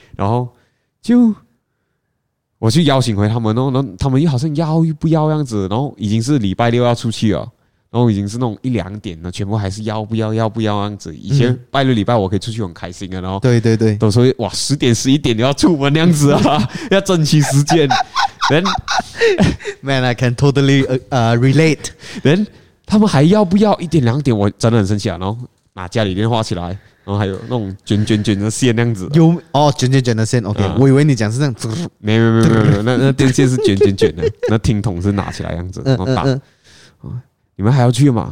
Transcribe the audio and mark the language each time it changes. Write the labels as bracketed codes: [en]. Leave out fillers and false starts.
[zh] 然后就我去邀请回他们、哦、然后他们又好像邀又不邀样子，然后已经是礼拜六要出去了，然后已经是那种一两点了，全部还是邀不邀邀不邀样子。以前拜六礼拜我可以出去很开心的，然后对对对。都说哇十点十一点就要出门那样子啊，要争取时间。 [en] Then, man, I can totally relate. [zh] Then, 他们还要不要一点两点？我真的很生气啊！然后拿家里电话起来，然后还有那种卷卷卷的线那样子。有哦，卷卷卷的线。 OK，我以为你讲是这样。没有，那电线是卷卷卷的，那听筒是拿起来样子，然后打。你们还要去吗？